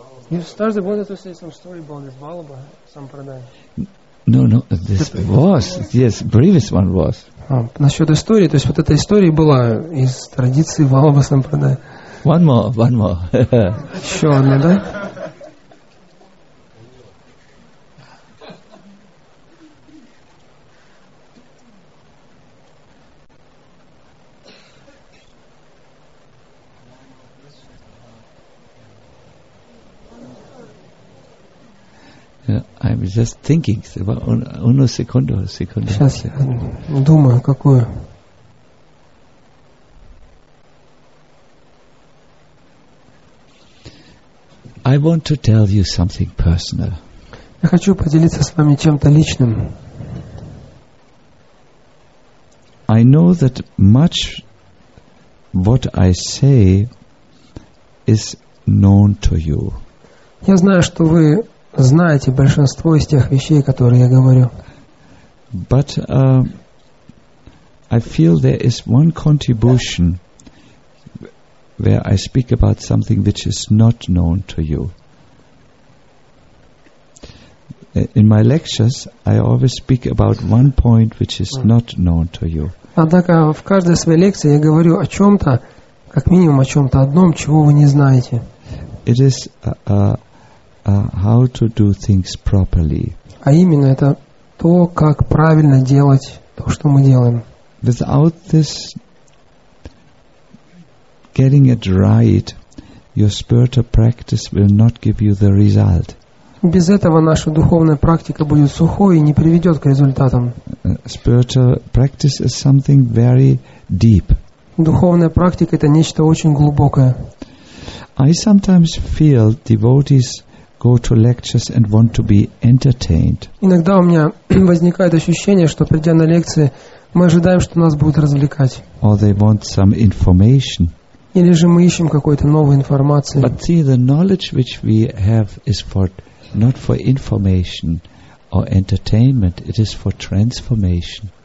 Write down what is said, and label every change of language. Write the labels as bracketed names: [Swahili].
[English] You started wanted to say some story about this Balaba, some Pradaya. No, no, this was, yes, previous one was. [Russian] Насчет истории, то есть вот эта история была из традиции Валабы Сампрадая. [English] One more, one more. [Russian] Еще одна, да? [English] I'm just thinking. [Italian] Uno secondo, secondo. [Russian] Сейчас я думаю, какую. [English] I want to tell you something personal. [Russian] Я хочу поделиться с вами чем-то личным. [English] I know that much what I say is known to you. [Russian] Я знаю, что вы знаете большинство из тех вещей, которые я говорю. [English] But I feel there is one contribution where I speak about something which is not known to you. In my lectures, I always speak about one point which is not known to you. [Russian] Однако в каждой своей лекции я говорю о чем-то, как минимум о чем-то одном, чего вы не знаете. [English] It is how to do things properly. [Russian] А именно это то, как правильно делать то, что мы делаем. [English] Without this getting it right, your spiritual practice will not give you the result. [Russian] Без этого наша духовная практика будет сухой и не приведет к результатам. [English] Spiritual practice is something very deep. [Russian] Духовная практика это нечто очень глубокое. [English] I sometimes feel devotees go to lectures and want to be entertained. [Russian] Иногда у меня возникает ощущение, что придя на лекции, мы ожидаем, что нас будут развлекать. [English] Or they want some information. [Russian] Или же мы ищем какой-то новой информации. [English] But see, the knowledge which we have is for not for information or entertainment, it is for transformation.